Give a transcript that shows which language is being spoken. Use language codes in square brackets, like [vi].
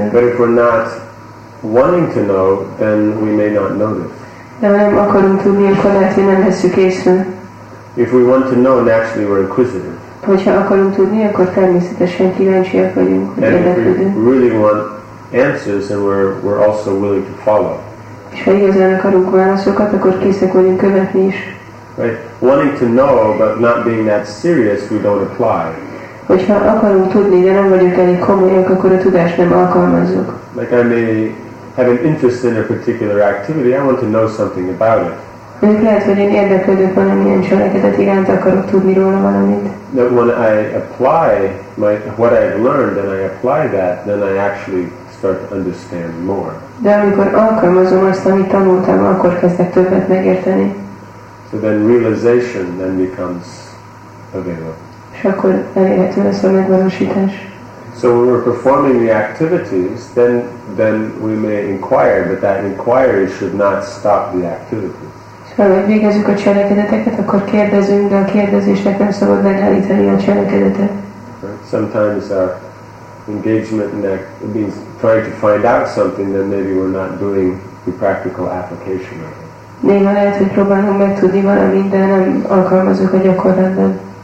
[en] But if we're not wanting to know, then we may not know this. [hu] De nem akarunk tudni, akkor lehet, hogy nem veszük észre. [en] If we want to know, naturally we're inquisitive. [hu] Hogyha akarunk tudni, akkor természetesen kíváncsiak vagyunk. [en] And if we really want answers, then we're also willing to follow. [hu] És ha igazán akarunk válaszokat, akkor készek vagyunk követni is. [en] Right. Wanting to know, but not being that serious, we don't apply. [hu] Hogyha akarunk tudni, de nem vagyunk elég komolyak, akkor a tudást nem alkalmazzuk. [en] Like I may have an interest in a particular activity, I want to know something about it. [hu] Mondjuk lehet, hogy én érdeklődök valamilyen cselekedet iránt, akarok tudni róla valamit. [en] But when I apply my, what I've learned, and I apply that, then I actually start to understand more. [hu] De amikor alkalmazom azt, amit tanultam, akkor kezdek többet megérteni. [en] So then realization then becomes available. [hu] És akkor elérhető lesz a megvalósítás. [en] So when we're performing the activities, then we may inquire, but that inquiry should not stop the activities. [hu] Szóval, hogy végezzük a cselekedeteket, akkor kérdezünk, de a kérdezésnek nem szabad megállítani a cselekedetet. [en] Sometimes our engagement in that it means trying to find out something, then maybe we're not doing the practical application of it. [hu] Néha lehet, hogy próbálunk megtudni valamit, de nem alkalmazunk a gyakorlatban.